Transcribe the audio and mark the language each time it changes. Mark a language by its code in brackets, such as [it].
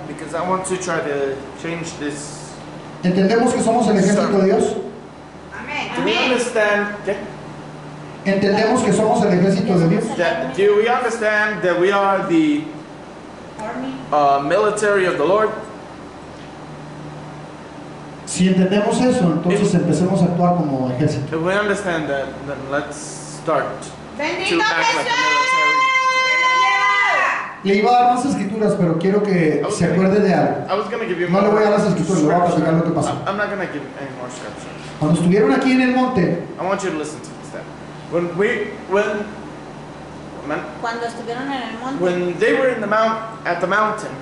[en] Because I want to try to change this. [es] Entendemos que somos el ejército de Dios. [en] Do we understand? Okay. [es] Entendemos que somos el ejército de Dios. [en] Do we understand that we are the military of the Lord? [es] Si entendemos eso, entonces empecemos a actuar como ejército. [en] If we understand that, then let's start to act like a military. [es] Le iba a dar más escrituras, pero quiero que se acuerde de algo. [en] I was gonna give you [es] no le voy a dar las escrituras, le voy a platicar lo que pasó. [en] I'm not gonna give any more scriptures. [es] Cuando estuvieron aquí en el monte, [en] I want you to listen to this step. [es] Cuando estuvieron en el monte, [en] when they were in the mount, at the mountain,